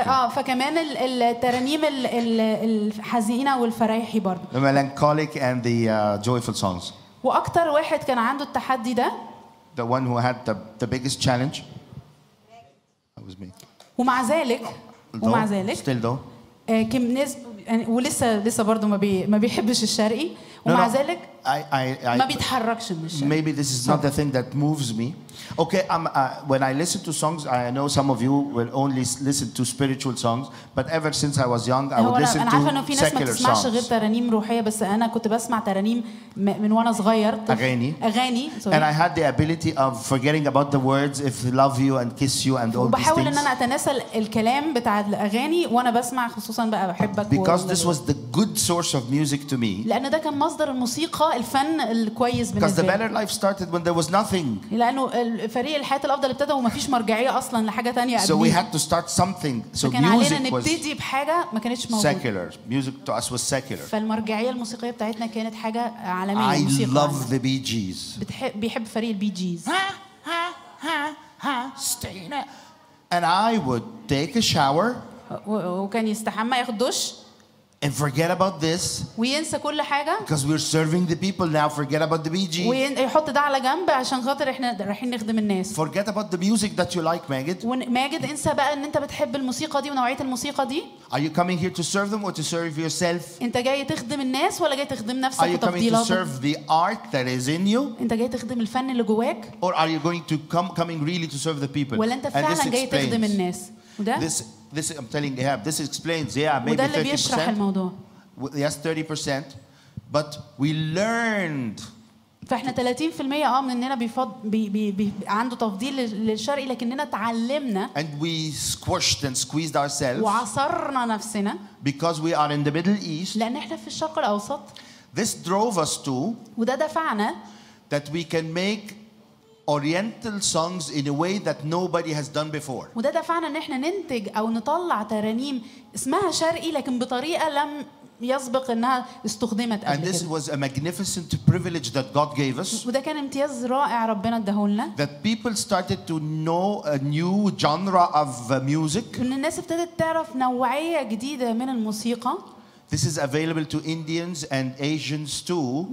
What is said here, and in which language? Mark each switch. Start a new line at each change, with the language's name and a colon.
Arabic: فكمان الترانيم الحزينة والفريحي برضه
English: The melancholic and the joyful songs
Arabic: وأكتر واحد كان عنده التحدي ده
English: The one who had the biggest challenge That was me
Arabic: ومع ذلك
English: Still though
Arabic: كم نسب ولسه برضه ما بيحبش الشرقي ومع ذلك ما بيتحركش من الشرقي
English: Maybe this is not the thing that moves me Okay, when I listen to songs, I know some of you will only listen to spiritual songs, but ever since I was young, I would listen to secular songs.
Arabic: غير ترانيم روحية بس أنا كنت بسمع ترانيم من وأنا صغير. أغاني.
English: And I had the ability of forgetting about the words if love you and kiss you and all these things.
Arabic: وبحاول إن أنا أتناسى الكلام بتاع الأغاني وأنا بسمع خصوصاً بقى بحبك.
English: Because this was the good source of music to me.
Arabic: لأن ده كان مصدر الموسيقى الفن الكويس بالنسبة لي.
English: Because the better life started when there was nothing.
Arabic: الفريق الحياة الأفضل ابتدى وما فيش مرجعية أصلاً لحاجة تانية
English: So we had to start something. So
Arabic: فكان
English: music
Arabic: علينا نبتدي بحاجة ما كانتش موجودة.
English: Secular. Music to us was secular.
Arabic: فالمرجعية الموسيقية بتاعتنا كانت حاجة عالمية.
English: I love the Bee Gees.
Arabic: بيحب فريق البي جيز.
English: And I would take a shower.
Arabic: وكان يستحمى ياخد دش.
English: And forget about this.
Arabic: وينسى كل حاجة.
English: Because we're serving the people now. Forget about the BG.
Arabic: ويحط ده على جنب عشان خاطر إحنا رايحين نخدم الناس.
English: Forget about the music that you like, Maggid.
Arabic: وماجد انسى بقى إن أنت بتحب الموسيقى دي ونوعية الموسيقى دي.
English: Are you coming here to serve them or to serve yourself?
Arabic: أنت جاي تخدم الناس ولا جاي تخدم نفسك؟
English: Are you coming to serve the art that is in you?
Arabic: أنت جاي تخدم الفن اللي جواك؟
English: Or are you going to coming really to serve the people?
Arabic: ولا أنت فعلا جاي تخدم الناس؟
English: This I'm telling Ahab, this explains, yeah, maybe 30%. Yes, 30%. But we learned.
Arabic: فاحنا 30% مننا عنده تفضيل للشرقي لكننا تعلمنا.
English: And we squished and squeezed ourselves.
Arabic: وعصرنا نفسنا.
English: Because we are in the Middle East.
Arabic: لأن احنا في الشرق الأوسط.
English: This drove us to.
Arabic: وده دفعنا.
English: That we can make Oriental songs in a way that nobody has done before.
Arabic: وده دفعنا ان احنا ننتج او نطلع ترانيم اسمها شرقي لكن بطريقه لم يسبق انها استخدمت قبل
English: And this was a magnificent privilege that God gave us.
Arabic: وده كان امتياز رائع ربنا ادهولنا.
English: That people started to know a new genre of music.
Arabic: ان الناس ابتدت تعرف نوعيه جديده من الموسيقى.
English: This is available to Indians and Asians too.